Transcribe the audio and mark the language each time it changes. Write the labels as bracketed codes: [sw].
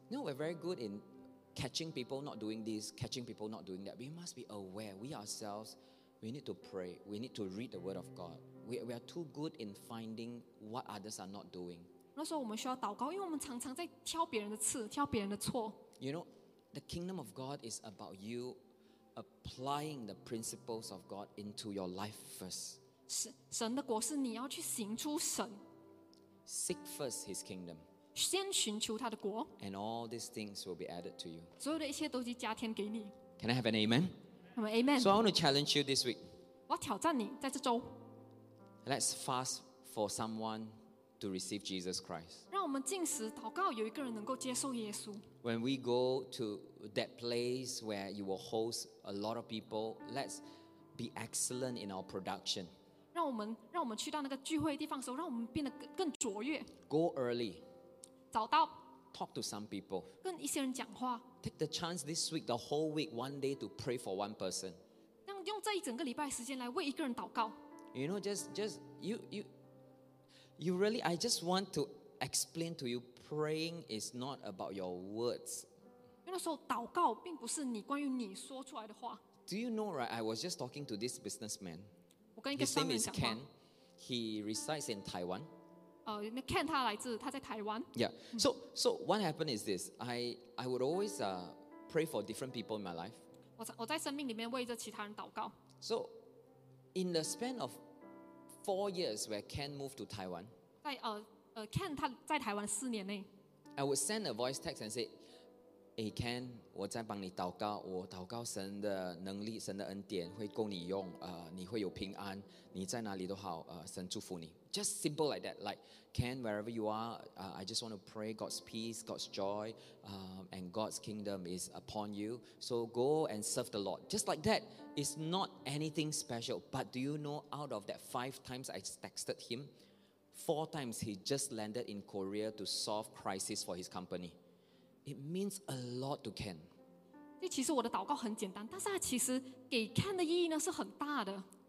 [en] you know, we're very good in catching people not doing this, catching people not doing that. We must be aware, we ourselves, we need to pray, we need to read the word of God. We are too good in finding what others are not doing. [zh] 那时候我们需要祷告, 因为我们常常在挑别人的刺, 挑别人的错。 [en] You know, the kingdom of God is about you applying the principles of God into your life first. [zh] 神的国是你要去行出神。 [en] Seek first His kingdom. [zh] 先寻求他的国, [en] and all these things will be added to you. [zh] 所有的一切都是加添给你。 [en] Can I have an amen? Amen. So I want to challenge you this week. [zh] 我挑战你在这周。 [en] Let's fast for someone to receive Jesus Christ. [zh] 让我们进食祷告有一个人能够接受耶稣。 [en] When we go to that place where you will host a lot of people, let's be excellent in our production. [zh] 让我们去到那个聚会的地方的时候，让我们变得更卓越。 [en] Go early. [zh] 早到。 [en] Talk to some people. [zh] 跟一些人讲话。 [en] Take the chance this week, the whole week, one day to pray for one person. [zh] 用这一整个礼拜时间来为一个人祷告。 [en] You know, I just want to explain to you, praying is not about your words. [zh] 因为那时候祷告并不是你关于你说出来的话。 [en] Do you know, right, I was just talking to this businessman. [zh] 我跟一个商人讲话。 [en] His name is Ken. He resides in Taiwan. [zh] Ken他来自他在台湾。 [en] Yeah. So what happened is this. I would always pray for different people in my life. [zh] 我在生命里面为着其他人祷告。 [en] So in the span of 4 years where Ken moved to Taiwan, [zh] Ken他在台湾4年内, [en] I would send a voice text and say, "Hey Ken, [zh] 我在帮你祷告，我祷告神的能力、神的恩典会够你用， 你会有平安， 你在哪里都好， 神祝福你。 [en] Just simple like that, like, Ken, wherever you are, I just want to pray God's peace, God's joy, and God's kingdom is upon you. So go and serve the Lord. Just like that. It's not anything special. But do you know, out of that 5 times I texted him, 4 times he just landed in Korea to solve crisis for his company. It means a lot to Ken. [zh] 其实我的祷告很简单，但是它其实给Ken的意义呢是很大的。